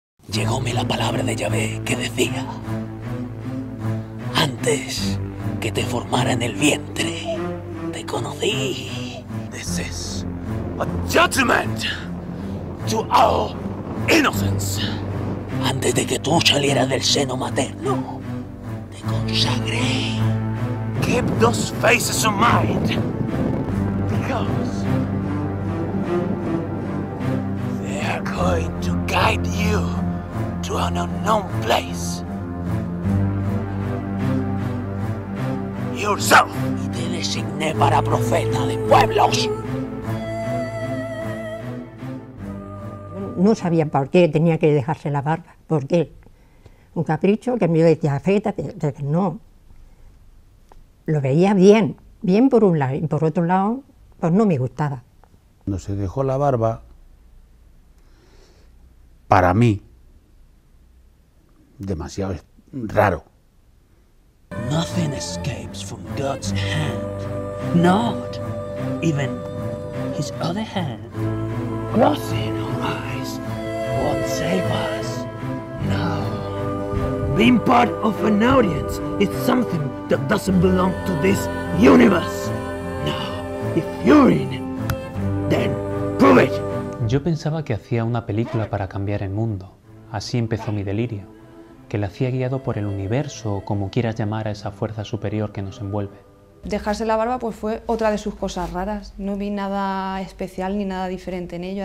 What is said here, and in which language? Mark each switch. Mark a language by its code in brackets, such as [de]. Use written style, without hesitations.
[es] Llegóme la palabra de Yahvé que decía: antes que te formara en el vientre, te conocí. [en] This is a judgment to our innocence. [es] Antes de que tú salieras del seno materno, te consagré. [en] Keep those faces in mind, because they are going to guide you to an unknown place. Yourself! [es] Y te designé para profeta de pueblos. Yo no sabía por qué tenía que dejarse la barba. ¿Por qué? Un capricho que me decía, afeítate, que no. Lo veía bien, bien por un lado, y por otro lado, pues no me gustaba. Cuando se dejó la barba, para mí, demasiado raro. [en] Nothing escapes from God's hand, not even his other hand. Nothing arise won't save us, no. Being part of an audience is something that doesn't belong to this universe. Now, if you're in, then prove it. [es] Yo pensaba que hacía una película para cambiar el mundo. Así empezó mi delirio. Que la hacía guiado por el universo, o como quieras llamar a esa fuerza superior que nos envuelve. Dejarse la barba pues fue otra de sus cosas raras. No vi nada especial ni nada diferente en ello.